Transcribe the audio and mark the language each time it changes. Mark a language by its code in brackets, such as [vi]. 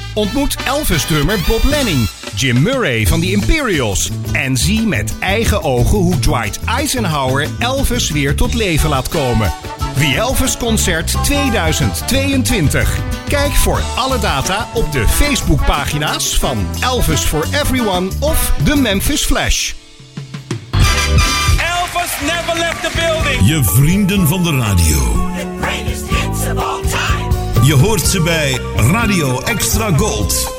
[nl] Ontmoet Elvis-drummer Bob Lenning, Jim Murray van The Imperials en zie met eigen ogen hoe Dwight Eisenhower Elvis weer tot leven laat komen. [en] The Elvis Concert 2022. [nl] Kijk voor alle data op de Facebookpagina's van Elvis for Everyone of The Memphis Flash. [en] Elvis never left the building. [nl] Je vrienden van de radio. [en] The greatest hits of all time. [nl] Je hoort ze bij Radio Extra Gold.